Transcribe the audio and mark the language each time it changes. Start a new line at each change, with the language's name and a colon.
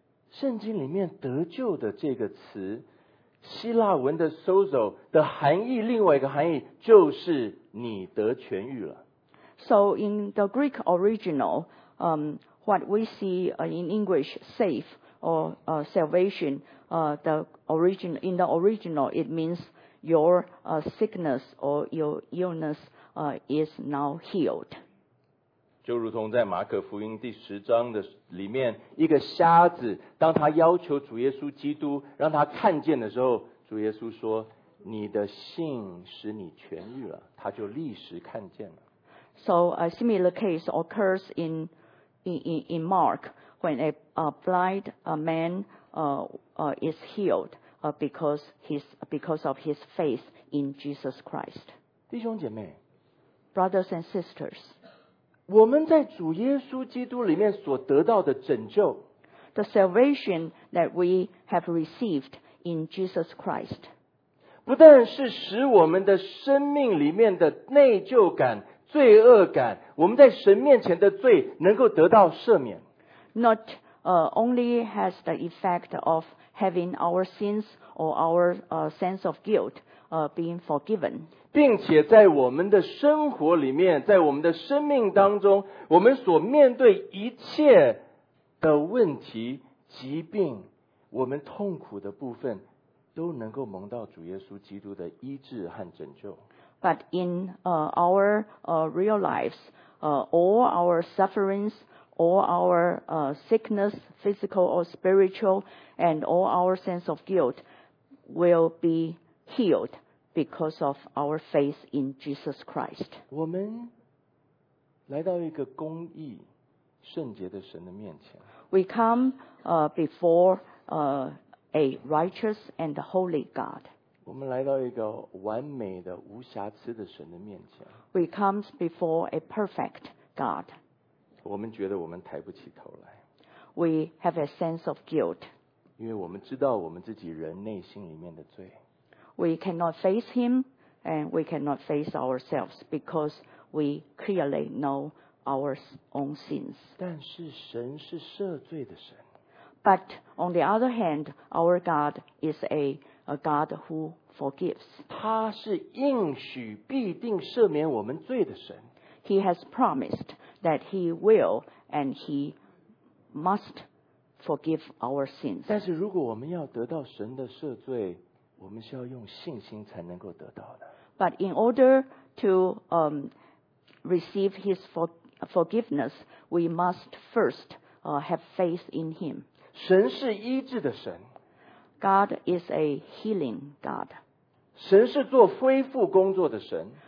Chinese: 圣经里面得救的这个词。希腊文的 sozo 的含义，另外一个含义就是你得痊愈了。
English: So in the Greek original, what we see in English, save or salvation, in the original, it means your sickness or your illness is now healed.
Chinese: 就如同在马可福音第十章的里面，一个瞎子，当他要求主耶稣基督让他看见的时候，主耶稣说：“你的信使你痊愈了。” 他就立时看见了。
English: So a similar case occurs in Mark when a blind man is healed because of his faith in Jesus Christ.
Chinese: 弟兄姐妹
English: ，brothers and sisters，
Chinese: 我们在主耶稣基督里面所得到的拯救
English: ，the salvation that we have received in Jesus Christ，
Chinese: 不但是使我们的生命里面的内疚感、罪恶感，我们在神面前的罪能够得到赦免
English: ，not only has the effect of having our sins or our sense of guilt being forgiven，
Chinese: 并且在我们的生活里面，在我们的生命当中，我们所面对一切的问题、疾病、我们痛苦的部分，都能够蒙到主耶稣基督的医治和拯救。
English: But in our real lives, all our sufferings, all our sickness, physical or spiritual, and all our sense of guilt will be healed because of our faith in Jesus Christ.
Chinese: 我们来到一个公义、圣洁的神的面前。
English: We come before a righteous and holy God.
Chinese: 我们来到一个完美的、无瑕疵的神的面前。
English: We come before a perfect God.
Chinese: 我们觉得我们抬不起头来。
English: We have a sense of guilt.
Chinese: 因为我们知道我们自己人内心里面的罪。
English: We cannot face him and we cannot face ourselves because we clearly know our own sins.
Chinese: 但是神是赦罪的神。
English: But on the other hand, our God is a God who forgives.
Chinese: 他是应许必定赦免我们罪的神。
English: He has promised that he will and he must forgive our sins.
Chinese: 但是如果我们要得到神的赦罪，我们是要用信心才能够得到的。
English: But in order to receive his forgiveness, we must first have faith in him.
Chinese: 神是医治的神。
English: God is a healing God.
Chinese: 神是做恢复工作的神。